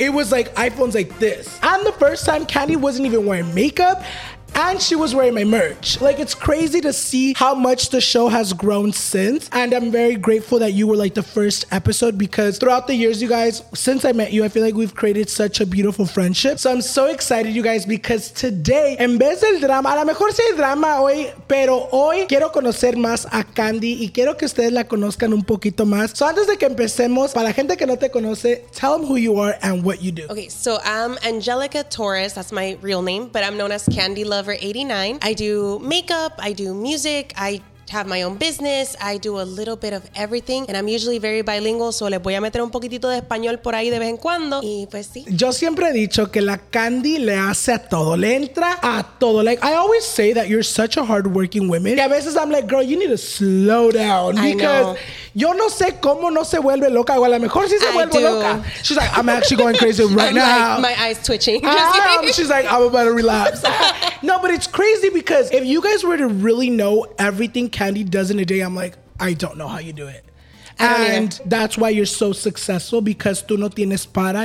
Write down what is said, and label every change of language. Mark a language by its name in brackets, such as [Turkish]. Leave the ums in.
[English] it was like iPhones like this. And the first time Candy wasn't even wearing makeup. And she was wearing my merch. Like, it's crazy to see how much the show has grown since. And I'm very grateful that you were like the first episode because throughout the years, you guys, since I met you, I feel like we've created such a beautiful friendship. So I'm so excited, you guys, because today, [Spanish] en vez del drama, a lo mejor sí hay drama hoy, pero hoy quiero conocer más a Candy y quiero que ustedes la conozcan un poquito más. So antes de que empecemos, para la gente que no te conoce, [English] tell them who you are and what you do. Okay, so I'm Angelica Torres. That's my real name, but I'm known as Candy Lover 89. I do makeup, I do music, I have my own business, I do a little bit of everything, and I'm usually very bilingual, so [Spanish] le voy a meter un poquitito de español por ahí de vez en cuando. Y pues sí. Yo siempre he dicho que la Candy le hace a todo, le entra a todo. [English] Like I always say that you're such a hardworking woman. [Spanish] Y a veces [English] I'm like, girl, you need to slow down I know. because [Spanish] yo no sé cómo no se vuelve loca o a lo mejor sí se [English] I [Spanish] vuelve [English] do. [Spanish] loca. [English] She's like, I'm actually going crazy right I'm now. like, my eyes twitching. I am. She's like, I'm about to relapse. no, but it's crazy because if you guys were to really know everything Candy does in a day, I'm like, I don't know how you do it. I don't either. And that's why you're so successful because [Spanish] tú no tienes para.